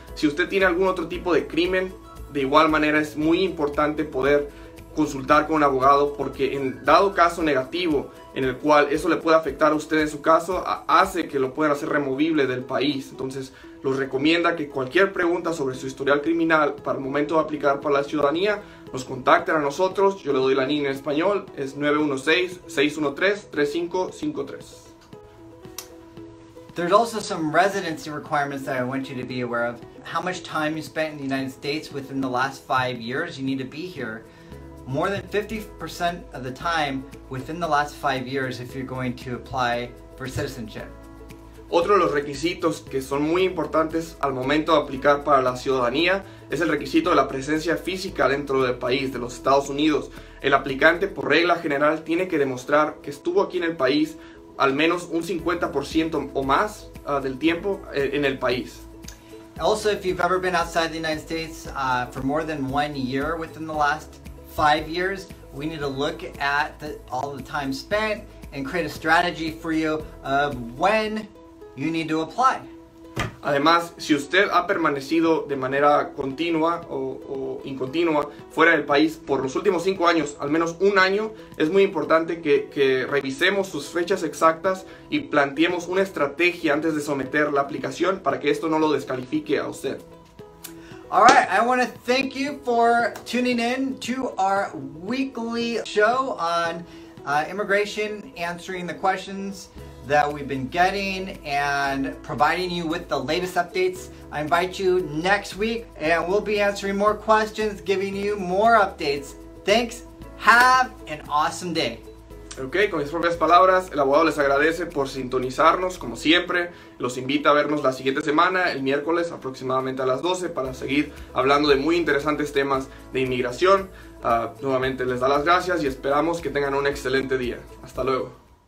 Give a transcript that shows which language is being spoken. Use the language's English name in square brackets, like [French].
[Spanish] Si usted tiene algún otro tipo de crimen, de igual manera es muy importante poder consultar con un abogado, porque en dado caso negativo en el cual eso le pueda afectar a usted en su caso, hace que lo puedan hacer removible del país. Entonces, los recomienda que cualquier pregunta sobre su historial criminal para el momento de aplicar para la ciudadanía, nos contacten a nosotros. Yo le doy la línea en español, es 916-613-3553. [English] There's also some residency requirements that I want you to be aware of. How much time you spent in the United States within the last 5 years, you need to be here. More than 50% of the time within the last 5 years if you're going to apply for citizenship. [Spanish] Otro de los requisitos que son muy importantes al momento de aplicar para la ciudadanía es el requisito de la presencia física dentro del país, de los Estados Unidos. El aplicante, por regla general, tiene que demostrar que estuvo aquí en el país al menos un 50% o más del tiempo en el país. [English] Also, if you've ever been outside the United States for more than 1 year within the last 5 years, we need to look at all the time spent and create a strategy for you of when you need to apply. [Spanish] Además, si usted ha permanecido de manera continua o incontinua fuera del país por los últimos 5 años, al menos un año, es muy importante que revisemos sus fechas exactas y planteemos una estrategia antes de someter la aplicación para que esto no lo descalifique a usted. [English] All right, I want to thank you for tuning in to our weekly show on immigration, answering the questions that we've been getting and providing you with the latest updates. I invite you next week and we'll be answering more questions, giving you more updates. Thanks, have an awesome day. [Spanish] Okay, con mis propias palabras, el abogado les agradece por sintonizarnos, como siempre. Los invita a vernos la siguiente semana, el miércoles, aproximadamente a las 12, para seguir hablando de muy interesantes temas de inmigración. Nuevamente les da las gracias y esperamos que tengan un excelente día. Hasta luego.